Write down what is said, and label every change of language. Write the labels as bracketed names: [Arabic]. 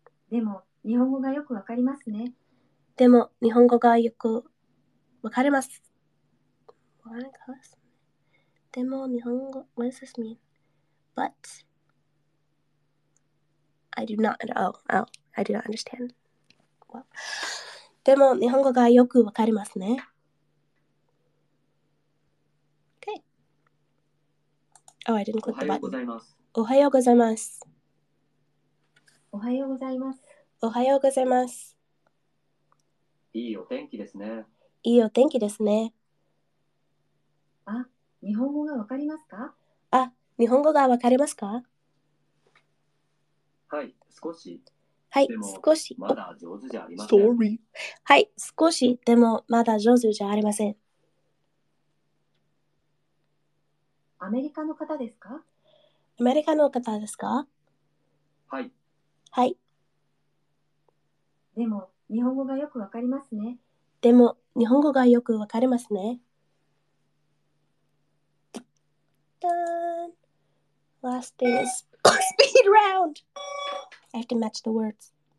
[Japanese] でも、日本語がよくわかりますね。でも、日本語がよくわかります。でも、日本語、 [English] what does this mean? But, I do not, I do not understand. [Japanese] Well, でも、日本語がよくわかりますね。 [English] Okay. Oh, I didn't click the button. [Japanese] おはようございます。おはようございます。おはようございます。いいお天気ですね。いいお天気ですね。あ、日本語がわかりますか？あ、日本語がわかりますか？はい、少し。はい、少し。まだ上手じゃありません。 [English] Sorry. [Japanese] はい、少し。でも、まだ上手じゃありません。アメリカの方ですか？アメリカの方ですか？はい。はい。でも、日本語がよくわかりますね。でも、日本語がよくわかりますね。 [English] ダーン。 Last thing is speed round! I have to match the words.